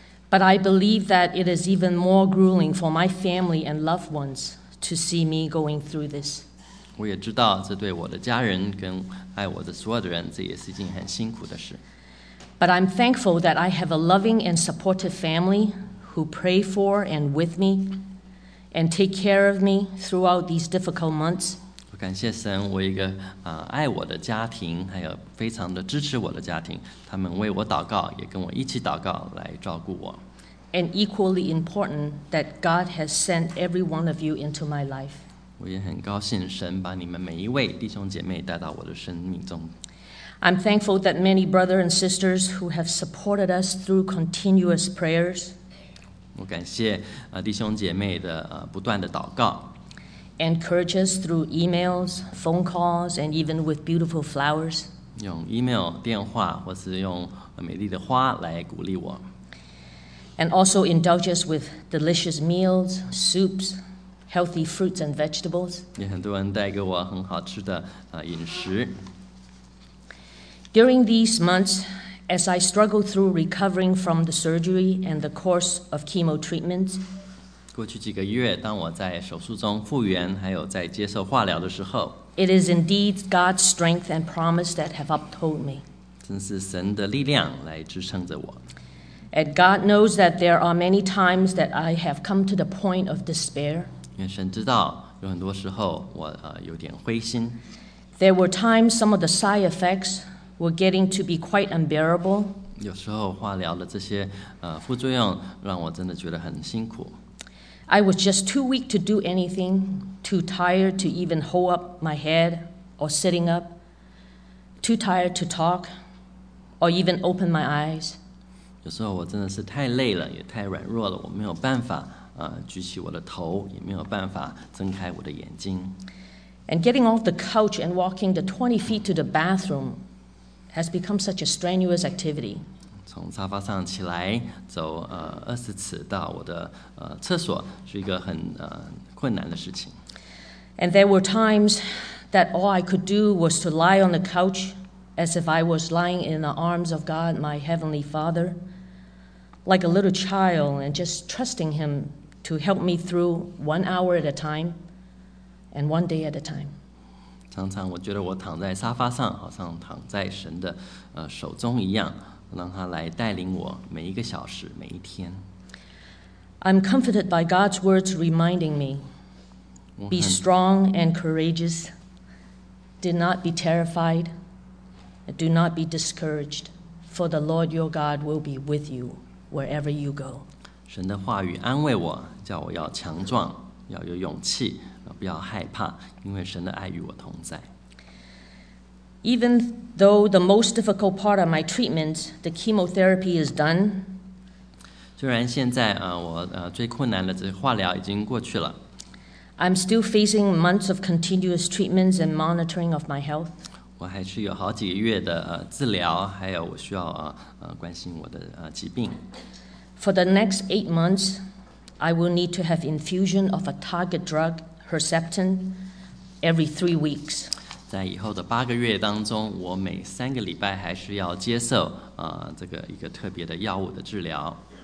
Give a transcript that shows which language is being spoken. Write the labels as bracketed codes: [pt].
[en] But I believe that it is even more grueling for my family and loved ones to see me going through this. [zh] 我也知道这对我的家人跟爱我的所有的人，这也是一件很辛苦的事。 [en] But I'm thankful that I have a loving and supportive family who pray for and with me and take care of me throughout these difficult months. [zh] 感谢神，我一个爱我的家庭，还有非常的支持我的家庭，他们为我祷告，也跟我一起祷告来照顾我。 [en] And equally important that God has sent every one of you into my life. [zh] 我也很高兴神把你们每一位弟兄姐妹带到我的生命中。 [en] I'm thankful that many brothers and sisters who have supported us through continuous prayers. [zh] 我感谢弟兄姐妹的不断的祷告。 [en] Encourage us through emails, phone calls, and even with beautiful flowers. [zh] 用 email, 电话或是用美丽的花来鼓励我。 [en] And also indulge us with delicious meals, soups, healthy fruits and vegetables. [zh] 也很多人带给我很好吃的饮食。 [en] During these months, as I struggled through recovering from the surgery and the course of chemo treatments, [zh] 过去几个月，当我在手术中复原，还有在接受化疗的时候， [en] it is indeed God's strength and promise that have upheld me. [zh] 真是神的力量来支撑着我。 [en] And God knows that there are many times that I have come to the point of despair. [zh] 因为神知道，有很多时候我有点灰心。 [en] There were times some of the side effects were getting to be quite unbearable. [zh] 有时候化疗的这些副作用让我真的觉得很辛苦。 [en] I was just too weak to do anything, too tired to even hold up my head or sitting up, too tired to talk or even open my eyes. [zh] 有时候我真的是太累了，也太软弱了，我没有办法举起我的头，也没有办法睁开我的眼睛。 [en] And getting off the couch and walking the 20 feet to the bathroom has become such a strenuous activity. [zh] 从沙发上起来走20次到我的厕所是一个很困难的事情。 [en] And there were times that all I could do was to lie on the couch as if I was lying in the arms of God, my Heavenly Father, like a little child and just trusting Him to help me through 1 hour at a time and 1 day at a time. [zh] 常常我觉得我躺在沙发上好像躺在神的手中一样。让他来带领我每一个小时每一天。 [en] I'm comforted by God's words reminding me, be strong and courageous, do not be terrified, do not be discouraged, for the Lord your God will be with you wherever you go. [zh] 神的话语安慰我，叫我要强壮，要有勇气，不要害怕，因为神的爱与我同在。 [en] Even though the most difficult part of my treatment, the chemotherapy, is done, [zh] 虽然现在最困难的这化疗已经过去了， [en] I'm still facing months of continuous treatments and monitoring of my health. [zh] 我还是有好几个月的治疗，还有我需要关心我的疾病。 [en] For the next 8 months, I will need to have infusion of a target drug, Herceptin, every 3 weeks. [zh] 在以后的八个月当中，我每三个礼拜还是要接受这个一个特别的药物的治疗。